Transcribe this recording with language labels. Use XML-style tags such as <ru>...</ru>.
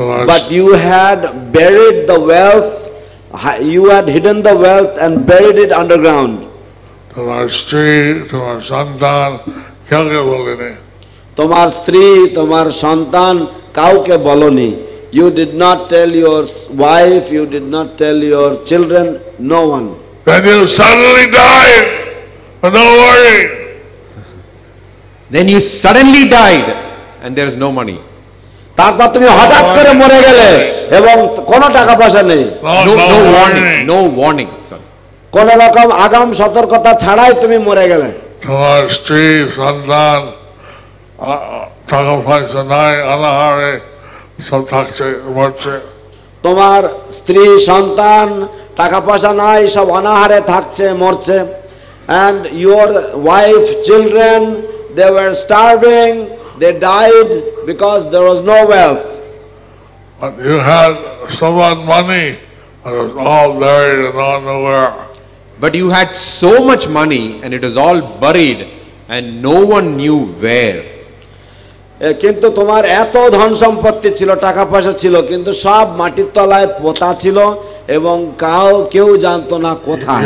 <en>But you had buried the wealth, you had hidden the wealth and buried it underground.</en> <bn>তোমার স্ত্রী, তোমার সন্তান কাউকে বলেনি, কাউকে বলনি।</bn> <en>You did not tell your wife, you did not tell your children, no one. Then you suddenly died, but no worry. Then you suddenly died and there is no money.</en> <bn>তারপর তুমি হঠাৎ করে মরে গেলে এবং কোনো টাকা পয়সা নেই।</bn> <en>No warning.</en> <bn>কোন রকম আগাম সতর্কতা ছাড়াই তুমি মরে গেলে। তোমার স্ত্রী সন্তান টাকা পয়সা নাই, আনাহারে সব থাকছে, মরছে। তোমার স্ত্রী সন্তান টাকা পয়সা নাই, সব অনাহারে থাকছে, মরছে।</bn> <en>And your wife, children, they were starving, they died because there was no wealth. But you had so much money, it was all buried and all nowhere. But you had so much money and it was all buried and no one knew where.</en> <bn>কিন্তু তোমার এত ধন সম্পত্তি ছিল, টাকা পয়সা ছিল, কিন্তু সব মাটির তলায় পোতা ছিল এবং কেউ জানতো না কোথায়।</bn>